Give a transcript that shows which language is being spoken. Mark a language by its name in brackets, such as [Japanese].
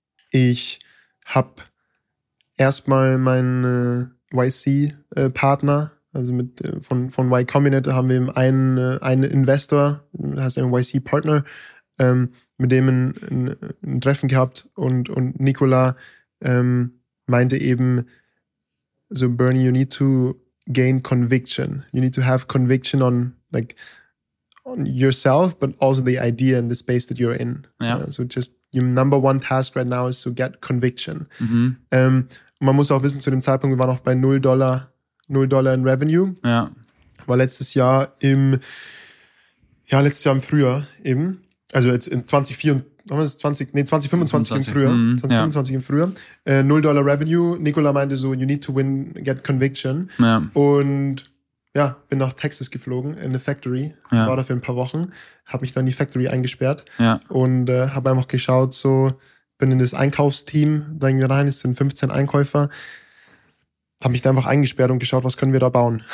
[German] Ich habe erstmal meinen YC-Partner, also von Y Combinator haben wir eben einen Investor, heißt ein YC-Partner, mit dem ein Treffen gehabt und Nicola meinte eben so, Bernie, [English] you need to gain conviction. You need to have conviction on yourself, but also the idea and the space that you're in. [German] Ja. [English] So just your number one task right now is to get conviction. Mhm. [German] Man muss auch wissen, zu dem Zeitpunkt, wir waren noch bei $0 in Revenue. Ja. War letztes Jahr im Frühjahr eben. Also jetzt in 2025 im Frühjahr. Mhm. 2025 ja. Im Frühjahr. $0 Revenue. Nicola meinte so, [English] you need to win, get conviction. [German] Ja. Und ja, bin nach Texas geflogen in eine Factory, ja, war da für ein paar Wochen, habe mich dann in die Factory eingesperrt, ja, und habe einfach geschaut, so bin in das Einkaufsteam, da ging rein, es sind 15 Einkäufer, habe mich da einfach eingesperrt und geschaut, was können wir da bauen.